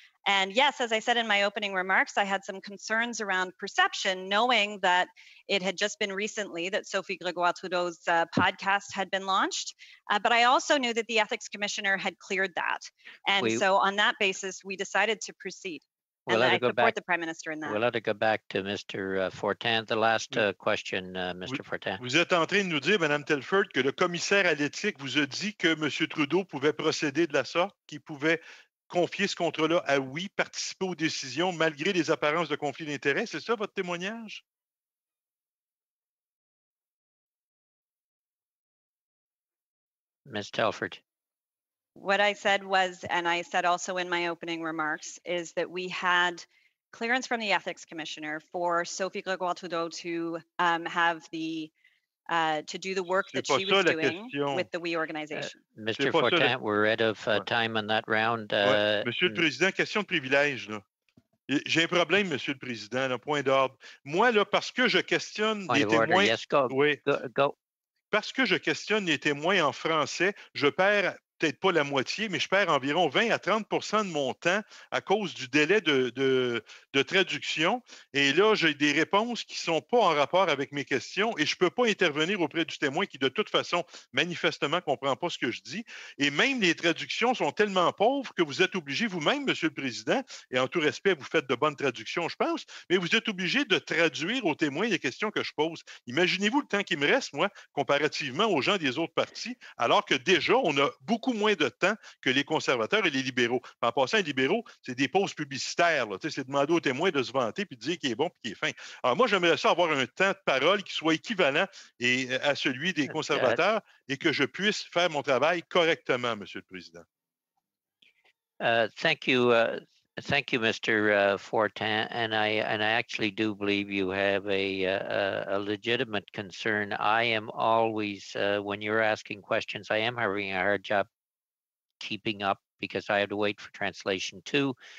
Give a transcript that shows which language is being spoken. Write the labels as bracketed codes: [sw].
[en] And yes, as I said in my opening remarks, I had some concerns around perception, knowing that it had just been recently that Sophie Grégoire Trudeau's podcast had been launched. But I also knew that the Ethics Commissioner had cleared that. And so on that basis, we decided to proceed. We'll and I support the Prime Minister in that. We'll let it go back to Mr. Fortin. The last question, Mr. Fortin. [fr] Vous êtes en train de nous dire, Madame Telford, que le commissaire à l'éthique vous a dit que M. Trudeau pouvait procéder de la sorte, qu'il pouvait confier ce contrôle-là à oui, participer aux décisions malgré les apparences de conflit d'intérêts. C'est ça votre témoignage? [en] Ms. Telford. What I said was, and I said also in my opening remarks, is that we had clearance from the Ethics Commissioner for Sophie Grégoire Trudeau to have the to do the work [fr] c'est [en] that she was doing with the WE organization. Mr. Fortin, we're out of time on that round. [fr] Monsieur le Président, question de privilège. Là. J'ai un problème, Monsieur le Président, un point d'ordre. Moi, là, parce que je questionne point des témoins... [en] Yes, go. [fr] Oui. [en] Go. [fr] Parce que je questionne les témoins en français, je perds... peut-être pas la moitié, mais je perds environ 20 à 30 % de mon temps à cause du délai de traduction. Et là, j'ai des réponses qui ne sont pas en rapport avec mes questions et je ne peux pas intervenir auprès du témoin qui, de toute façon, manifestement, ne comprend pas ce que je dis. Et même les traductions sont tellement pauvres que vous êtes obligé vous-même, Monsieur le Président, et en tout respect, vous faites de bonnes traductions, je pense, mais vous êtes obligé de traduire aux témoins les questions que je pose. Imaginez-vous le temps qui me reste, moi, comparativement aux gens des autres partis, alors que déjà, on a beaucoup moins de temps que les conservateurs et les libéraux. En passant, les libéraux, c'est des pauses publicitaires. Là. C'est demander aux témoins de se vanter puis de dire qu'il est bon puis qu'il est fin. Alors moi, j'aimerais ça avoir un temps de parole qui soit équivalent et, à celui des conservateurs et que je puisse faire mon travail correctement, Monsieur le Président. [en] Thank you, Mr. Fortin. And I actually do believe you have a legitimate concern. I am always, when you're asking questions, I am having a hard job keeping up because I have to wait for translation too.